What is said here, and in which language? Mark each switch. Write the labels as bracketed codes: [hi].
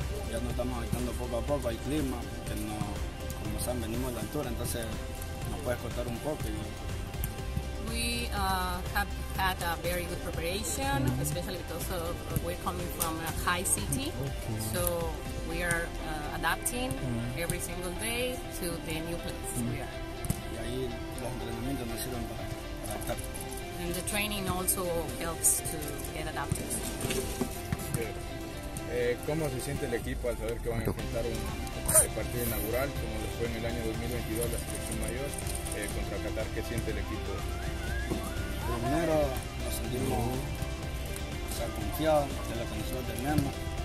[es] Ya nos estamos adaptando poco a poco al clima, que no, como saben, venimos de altura, entonces nos puede costar un poco. Y... [en] We have had a very good preparation, especially because we're coming from a high city, so we are adapting every single day to the new place we are. [es] Y ahí los entrenamientos nos sirven para adaptar. [en] And the training also helps to get adapted. [es] Sí. ¿Cómo se siente el equipo al saber que van a enfrentar un partido inaugural, como lo fue en el año 2022 la selección mayor, contra Qatar? ¿Qué siente el equipo? Primero nos sentimos confiados de lo que nosotros tenemos.